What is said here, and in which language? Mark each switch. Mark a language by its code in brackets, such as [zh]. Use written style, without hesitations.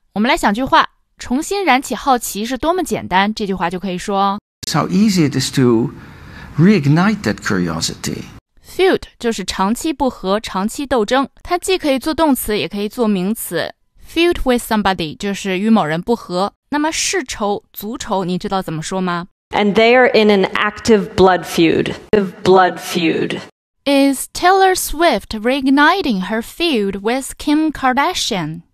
[zh] 我们来想句话，重新燃起好奇是多么简单，这句话就可以说 [en] How easy it is to reignite that curiosity. [zh] Feud 就是长期不和、长期斗争，它既可以做动词也可以做名词。 Feud with somebody 就是与某人不和。那么世仇、族仇你知道怎么说吗？ [en] And they are in an active blood feud. Blood feud Is Taylor Swift reigniting her feud with Kim Kardashian?